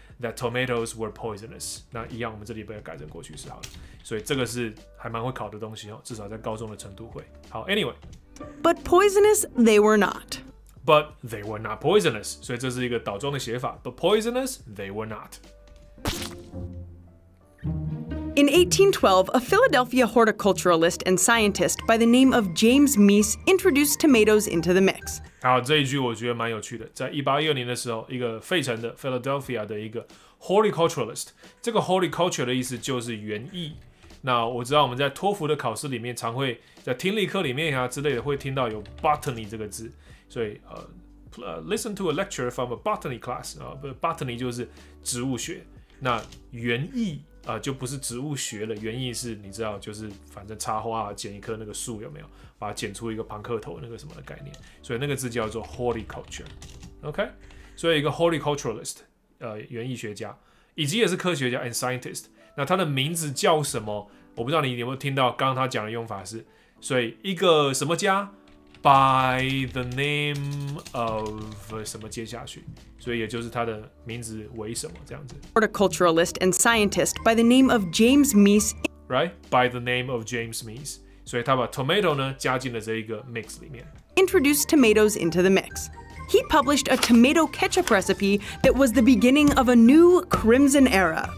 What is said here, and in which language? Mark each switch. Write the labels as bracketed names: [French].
[English] That tomatoes were poisonous。 [Chinese] 那一样，我们这里不要改成过去式好了。所以这个是还蛮会考的东西哦，至少在高中的程度会。好 ，Anyway。 [English] But poisonous they were not. But they were not poisonous。 [Chinese] 所以这是一个倒装的写法。 [English] But poisonous they were not. In 1812, a Philadelphia horticulturalist and scientist by the name of James Meese introduced tomatoes into the mix. [Chinese] 好，这一句我觉得蛮有趣的。在1812年的时候，一个费城的 Philadelphia 的一个 horticulturalist， 这个 horticulture 的意思就是园艺。那我知道我们在托福的考试里面，常会在听力课里面啊之类的，会听到有 botany 这个字。所以 [English] listen to a lecture from a botany class [Chinese] 啊、botany 就是植物学。那园艺啊、就不是植物学了，园艺是你知道就是反正插花剪一棵那个树有没有？把它剪出一个庞克头那个什么的概念，所以那个字叫做 horticulture， OK， 所以一个 horticulturalist， 园艺学家，以及也是科学家 and scientist， 那他的名字叫什么？我不知道你有没有听到刚刚他讲的用法是，所以一个什么家 by the name of 什么接下去，所以也就是他的名字为什么这样子。 [English] Horticulturalist and scientist by the name of James Meese， right？ By the name of James Meese。 [Chinese] 所以他把 tomato 呢加进了这一个 mix 里面。 [English] Introduced tomatoes into the mix. He published a tomato ketchup recipe that was the beginning of a new crimson era.